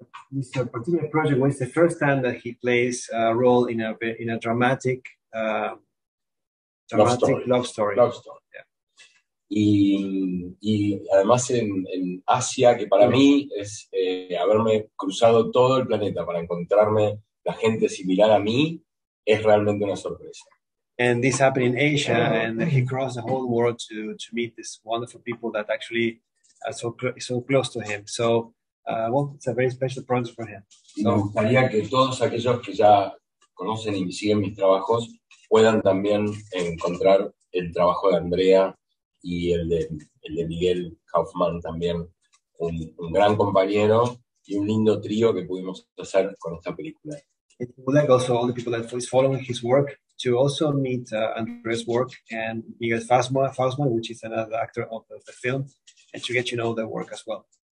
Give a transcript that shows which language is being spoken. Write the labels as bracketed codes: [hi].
[en] This particular project was the first time that he plays a role in a dramatic Love story. Yeah. [es] Y además en Asia, que para mí es haberme cruzado todo el planeta para encontrarme la gente similar a mí, es realmente una sorpresa. [en] And this happened in Asia, and he crossed the whole world to meet these wonderful people that actually are so close to him. So, well, it's a very special project for him. [es] Me gustaría que todos aquellos que ya conocen y siguen mis trabajos puedan también encontrar el trabajo de Andrea y el de Miguel Kaufman también, un gran compañero y un lindo trío que pudimos hacer con esta película. [en] It would like also all the people that is following his work to also meet Andrea's work and Miguel Fassbender, which is another actor of the film, and to get to know their work as well.